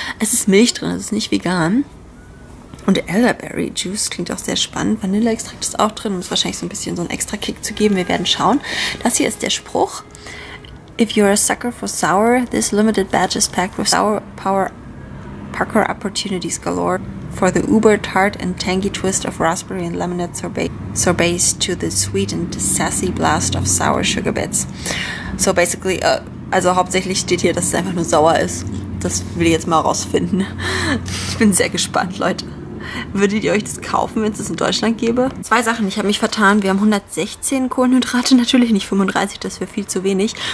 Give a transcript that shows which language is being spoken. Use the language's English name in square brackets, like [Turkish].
[German] Es ist Milch drin, es ist nicht vegan. Und Elderberry Juice klingt auch sehr spannend. Vanilleextrakt ist auch drin, um es wahrscheinlich so ein bisschen so einen extra Kick zu geben. Wir werden schauen. Das hier ist der Spruch. [English] If you're a sucker for sour, this limited batch is packed with sour power Parker opportunities galore for the uber tart and tangy twist of raspberry and lemonade sorbets to the sweet and sassy blast of sour sugar bits. So basically, [German] also hauptsächlich steht hier, dass es einfach nur sauer ist. Das will ich jetzt mal rausfinden. Ich bin sehr gespannt, Leute. Würdet ihr euch das kaufen, wenn es das in Deutschland gäbe? Zwei Sachen. Ich habe mich vertan. Wir haben 116 Kohlenhydrate, natürlich nicht 35, das wäre viel zu wenig.